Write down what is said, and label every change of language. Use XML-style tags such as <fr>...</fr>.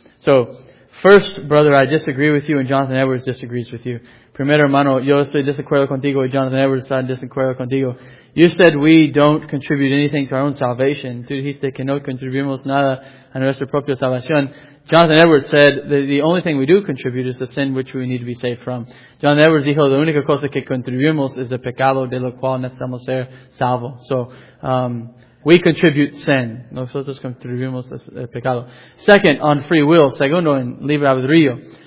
<en>So, first, brother, I disagree with you and Jonathan Edwards disagrees with you.</en> <es>Primero, hermano, yo estoy desacuerdo contigo y Jonathan Edwards está desacuerdo contigo.</es> <en>You said we don't contribute anything to our own salvation.</en> <es>Tú dijiste que no contribuimos nada a nuestra propia salvación.</es> <en>Jonathan Edwards said that the only thing we do contribute is the sin which we need to be saved from.</en> <es>Jonathan Edwards dijo, la única cosa que contribuimos es el pecado de lo cual necesitamos ser salvo.</es> <en>So, we contribute sin.</en> <es>Nosotros contribuimos el pecado.</es> <en>Second, on free will.</en> <es>Segundo, en libre albedrío.</es>